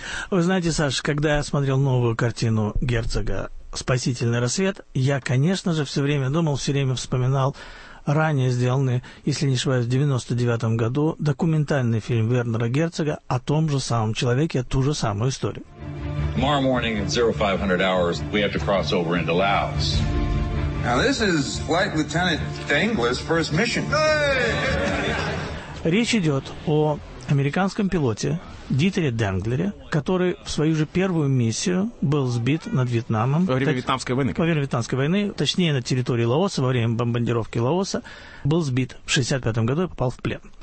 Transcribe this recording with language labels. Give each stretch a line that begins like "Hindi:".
Russian: Вы знаете, Саш, когда я смотрел новую картину Герцога «Спасительный рассвет», я, конечно же, все время думал, все время вспоминал ранее сделанный, если не ошибаюсь, в 99-м году документальный фильм Вернера Герцога о том же самом человеке, о ту же самую историю.
English: Tomorrow morning at 0500 hours, we have to cross over into Laos. Now this is Flight Lieutenant Dangle's first mission.
Russian: Речь идет о американском пилоте Дитере Денглере, который в свою же первую миссию был сбит над Вьетнамом. Во время Вьетнамской войны. Во время Вьетнамской войны, точнее, на территории Лаоса, во время бомбардировки Лаоса, был сбит в 65-м году и попал в плен.